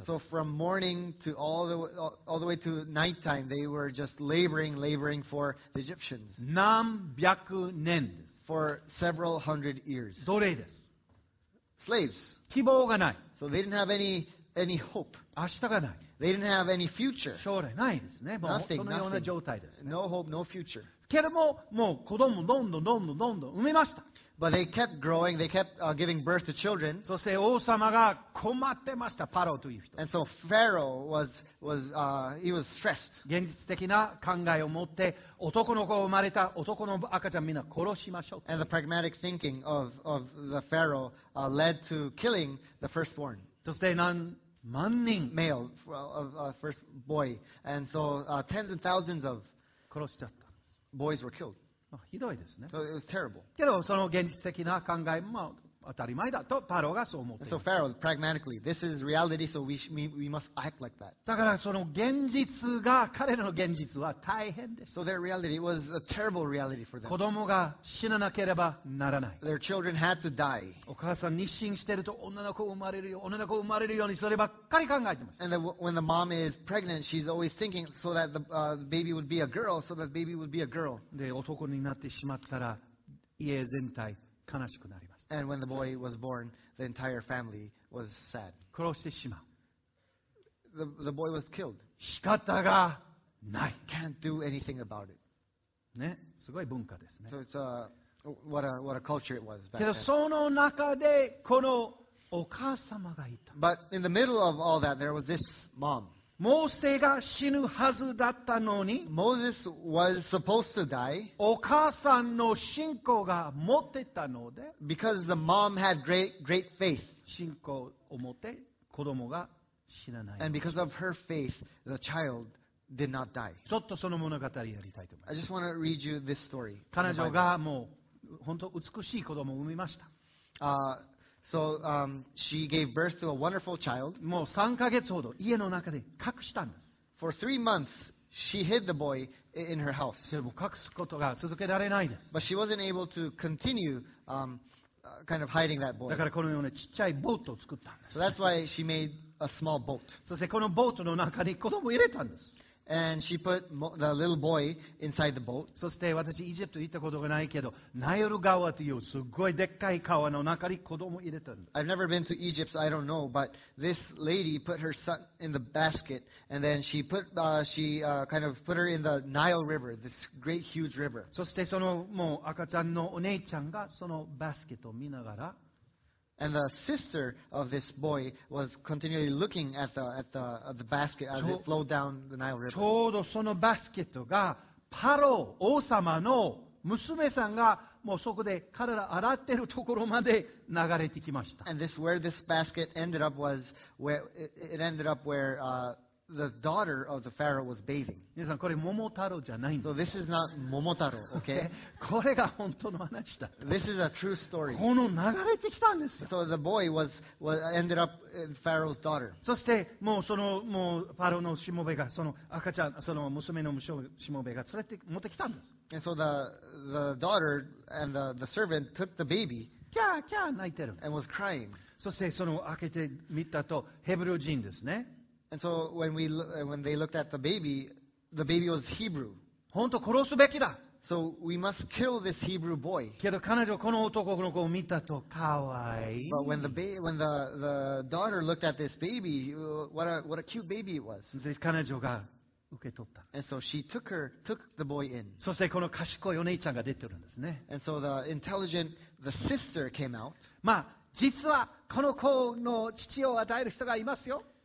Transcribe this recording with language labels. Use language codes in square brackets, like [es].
[en] So from morning to all the way to nighttime, they were just laboring for the Egyptians. [ja] 何百年です。 [en] For several hundred years. [ja] 奴隷です。 [en] Slaves. [ja] 希望がない。 [en] So they didn't have any hope. [ja] 明日がない。 [en] They didn't have any future. [ja] 将来ないですね。もう [en] nothing, [ja] そのような状態です、ね。 [en] No hope, no future. [ja] けれども、もう子供どんどんどんどんどんどん産みました。 [en] But they kept growing, they kept giving birth to children. [ja] そして王様が困ってました、パロという人。 [en] And so Pharaoh he was stressed. [ja] 現実的な考えを持って、男の子が生まれた男の赤ちゃんみんな殺しましょう。 [en] And the pragmatic thinking of the Pharaoh led to killing the firstborn. [ja] そして何万人 [en] male of a first boy. And so tens and thousands of [ja] 殺しちゃった。 [en] Boys were killed. [ja] ひどいですね。 [en] So it was terrible. [ja] けどその現実的な考え、まあ当たり前だとパロがそう思っている。 [en] So Pharaoh, pragmatically, this is reality, so we must act like that. [ja] だからその現実が彼らの現実は大変です。 [en] So their reality was a terrible reality for them. [ja] 子供が死ななければならない。 [en] Their children had to die. [ja] お母さん妊娠してると女の子生まれるよ、女の子生まれるようにそればっかり考えてます。 [en] And when the mom is pregnant, she's always thinking so that the baby would be a girl, so that the baby would be a girl. [ja] で男になってしまったら家全体悲しくなります。 [en] And when the boy was born, the entire family was sad. [ja] 殺してしまう。 [en] The boy was killed. [ja] 仕方がない。 [en] Can't do anything about it. [ja] ね、すごい文化ですね。 [en] So it's what a culture it was back [ja] then. けどその中でこのお母様がいた。 [en] But in the middle of all that, there was this mom. [ja] モーセが死ぬはずだったのに、 [en] Moses was supposed to die. [ja] お母さんの信仰が持ってたので、 [en] because the mom had great faith. [ja] 信仰を持って子供が死なない。 [en] And because of her faith, the child did not die. [ja] ちょっとその物語やりたいと思います。 [en] I just want to read you this story. [ja] 彼女がもう本当美しい子供を産みました。 [en] She gave birth to a wonderful child. [ja] もう3ヶ月ほど家の中で隠したんです。 [en] For 3 months, she hid the boy in her house. [ja] でも隠すことが続けられないです。 [en] But she wasn't able to continue, kind of hiding that boy. [ja] だからこのようなちっちゃいボートを作ったんです。 [en] So that's why she made a small boat. [ja] そしてこのボートの中に子供を入れたんです。 [en] And she put the little boy inside the boat. [ja] そして私、イジプト行ったことがないけど、ナイル川というすごいでっかい川の中に子供を入れたんです。 [en] I've never been to Egypt, so I don't know, but this lady put her son in the basket, and then she put, kind of put her in the Nile River, this great huge river. [ja] そしてそのもう赤ちゃんのお姉ちゃんがそのバスケットを見ながら、 [en] And the sister of this boy was continually looking at the basket as it flowed down the Nile River. [ja] ちょうどそのバスケットがパロ王様の娘さんがもうそこで体洗ってるところまで流れてきました。 [en] And this where this basket ended up was where it ended up where the daughter of the pharaoh was bathing. [ja] 皆さんこれ桃太郎じゃないんです。 [en] So this is not 桃太郎、okay? [ja] これが本当の話だ。 [en] This is a true story. [ja] この流れてきたんですよ。 [en] So the boy was ended up Pharaoh's daughter. [ja] そしてもうそのもうパロのしもべがその赤ちゃんその娘のしもべが連れて持ってきたんです。 [en] And so the daughter and the servant took the baby. [ja] キャーキャー泣いてる。 [en] And was crying. [ja] そしてその開けてみたとヘブル人ですね。 [en] And so when they looked at the baby was Hebrew. [ja] 本当殺すべきだ。 [en] So we must kill this Hebrew boy. [ja] けど彼女この男の子を見たとかわいい。 [en] But when the daughter looked at this baby, what a cute baby it was. [ja] で彼女が受け取った。 [en] And so she took the boy in. [ja] そしてこの賢いお姉ちゃんが出てるんですね。 [en] And so the intelligent the sister came out. [ja] まあ実はこの子の父を与える人がいますよ。